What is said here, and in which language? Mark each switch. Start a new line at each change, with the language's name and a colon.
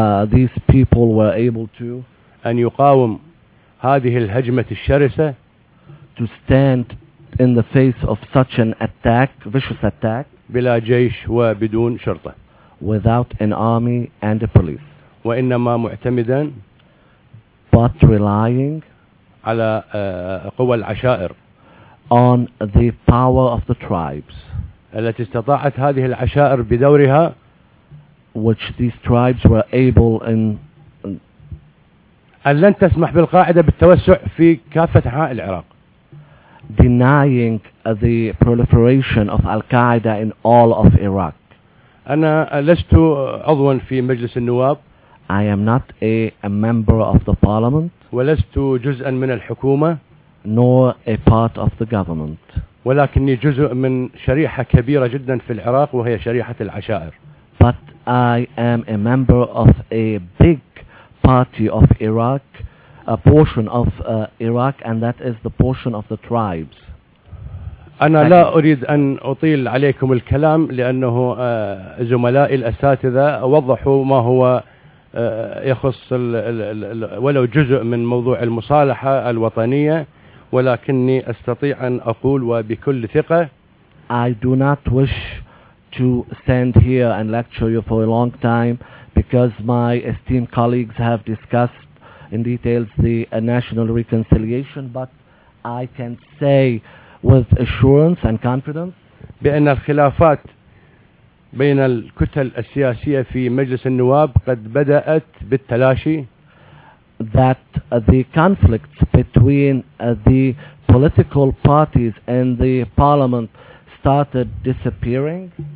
English: these people were able to,
Arabic: أن يقاوم هذه الهجمة الشرسة,
English: to stand in the face of such an attack, vicious attack,
Arabic: بلا جيش وبدون شرطة,
English: without an army and a police,
Arabic: وإنما معتمداً,
English: but relying
Arabic: على قوى العشائر,
English: on the power of the tribes,
Arabic: التي استطاعت هذه العشائر بدورها,
English: which these tribes were able in,
Arabic: أن لن تسمح بالقاعدة بالتوسع في كافة أنحاء العراق,
English: denying the proliferation of Al-Qaeda in all of Iraq.
Arabic: أنا لست عضوا في مجلس النواب,
English: I am not a member of the parliament,
Arabic: ولست جزءا من الحكومة,
English: nor a part of the government,
Arabic: ولكني جزء من شريحة كبيرة جدا في العراق وهي شريحة العشائر,
English: but I am a member of a big party of Iraq, a portion of Iraq, and that is the portion of the tribes.
Arabic: أنا لا أريد أن أطيل عليكم الكلام لأنه زملائي الأساتذة وضحوا ما هو يخص ولو جزء من موضوع المصالحة الوطنية, ولكني أستطيع أن أقول وبكل ثقة,
English: I do not wish to stand here and lecture you for a long time because my esteemed colleagues have discussed in details the national reconciliation, but I can say with assurance and confidence
Arabic: بأن الخلافات بين الكتل السياسية في مجلس النواب قد بدأت بالتلاشي,
English: that the conflicts between the political parties and the parliament started dissipating,